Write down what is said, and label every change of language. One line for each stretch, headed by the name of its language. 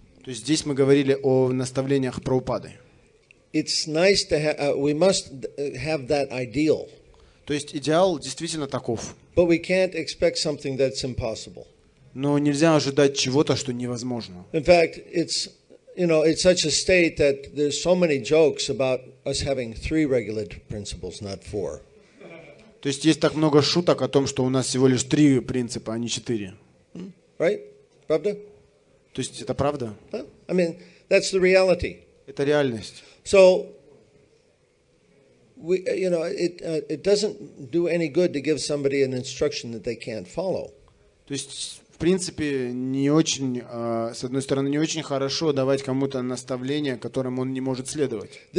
Russian: То есть здесь мы говорили о наставлениях Прабхупады.
English: It's nice to we must have that ideal.
Russian: То есть идеал действительно таков.
English: But we can't expect something that's impossible.
Russian: Но нельзя ожидать чего-то, что невозможно.
English: In fact, it's such a state that there's so many jokes about us having three regulative principles, not four.
Russian: То есть есть так много шуток о том, что у нас всего лишь три принципа, а не четыре.
English: Right?
Russian: Правда? То есть это правда?
English: I mean, that's the reality.
Russian: Это реальность.
English: So, it doesn't do any good to give somebody an instruction that they can't follow.
Russian: То есть, в принципе, не очень, с одной стороны, не очень хорошо давать кому-то наставление, которым он не может следовать.